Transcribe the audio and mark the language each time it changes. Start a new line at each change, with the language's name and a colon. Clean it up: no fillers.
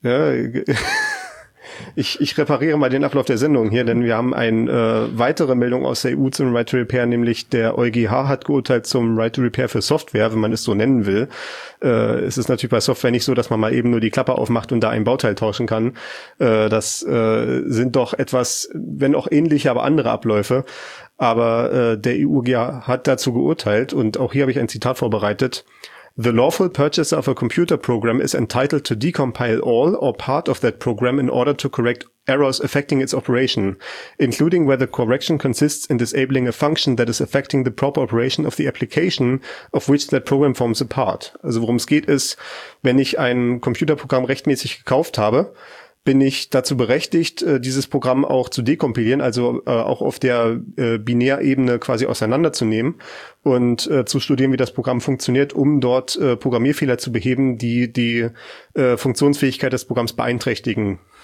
German: Ja, ich repariere mal den Ablauf der Sendung hier, denn wir haben eine weitere Meldung aus der EU zum Right-to-Repair, nämlich der EuGH hat geurteilt zum Right-to-Repair für Software, wenn man es so nennen will. Es ist natürlich bei Software nicht so, dass man mal eben nur die Klappe aufmacht und da ein Bauteil tauschen kann. Das sind doch etwas, wenn auch ähnliche, aber andere Abläufe. Aber der EuGH hat dazu geurteilt und auch hier habe ich ein Zitat vorbereitet.
English: The lawful purchaser of a computer program is entitled to decompile all or part of that program in order to correct errors affecting its operation, including whether correction consists in disabling a function that is affecting the proper operation of the application of which that program forms a part.
German: Also worum es geht ist, wenn ich ein Computerprogramm rechtmäßig gekauft habe, bin ich dazu berechtigt, dieses Programm auch zu dekompilieren, also auch auf der Binärebene quasi auseinanderzunehmen und zu studieren, wie das Programm funktioniert, um dort Programmierfehler zu beheben, die die Funktionsfähigkeit des Programms beeinträchtigen.